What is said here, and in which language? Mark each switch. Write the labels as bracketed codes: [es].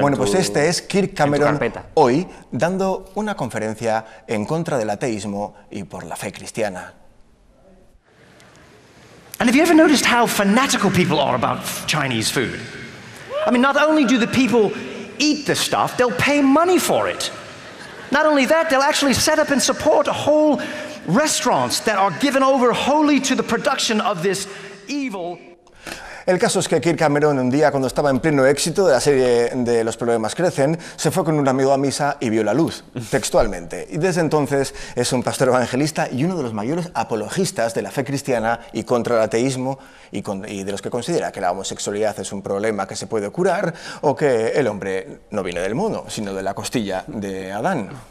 [es] Bueno, pues este es Kirk Cameron hoy dando una conferencia en contra del ateísmo y por la fe cristiana. [en] And have you ever noticed how fanatical people are about Chinese food? I mean, not only do the people eat the stuff, they'll pay money for it. Not only that, they'll actually set up and support whole restaurants that are given over wholly to the production of this evil. [es] El caso es que Kirk Cameron un día, cuando estaba en pleno éxito de la serie de Los Problemas Crecen, se fue con un amigo a misa y vio la luz, textualmente. Y desde entonces es un pastor evangelista y uno de los mayores apologistas de la fe cristiana y contra el ateísmo y de los que considera que la homosexualidad es un problema que se puede curar o que el hombre no viene del mono, sino de la costilla de Adán.